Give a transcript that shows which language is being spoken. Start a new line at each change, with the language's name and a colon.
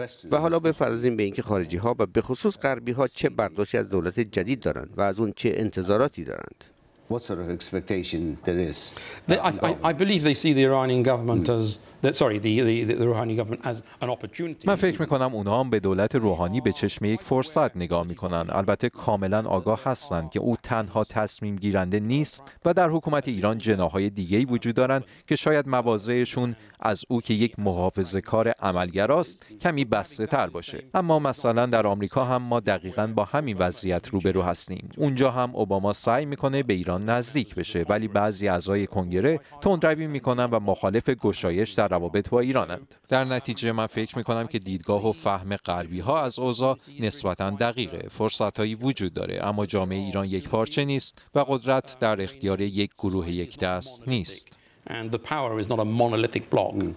Persian: و حالا بفرضیم به اینکه خارجی ها و به خصوص غربی ها چه برداشتی از دولت جدید دارند و از اون چه انتظاراتی دارند.
English: What sort of expectation there is? I believe they see the Iranian government as the Rouhani government as an opportunity.
Persian: من فکر میکنم اونا هم به دولت روحانی به چشم یک فرصت نگاه میکنن. البته کاملا آگاه هستند که او تنها تصمیم گیرنده نیست و در حکومت ایران جناهای دیگه‌ای وجود دارن که شاید مواضعشون از او که یک محافظه‌کار عملگراست کمی بسته تر باشه. اما مثلا در آمریکا هم ما دقیقا با همین وضعیت روبرو هستیم. اونجا هم اوباما سعی میکنه به ایران نزدیک بشه، ولی بعضی اعضای کنگره تندروی میکنن و مخالف گشایش در روابط با ایرانند. در نتیجه من فکر میکنم که دیدگاه و فهم غربی ها از اوضاع نسبتا دقیقه. فرصت هایی وجود داره، اما جامعه ایران یک پارچه نیست و قدرت در اختیار یک گروه یک دست نیست.
English: And the power is not a monolithic block.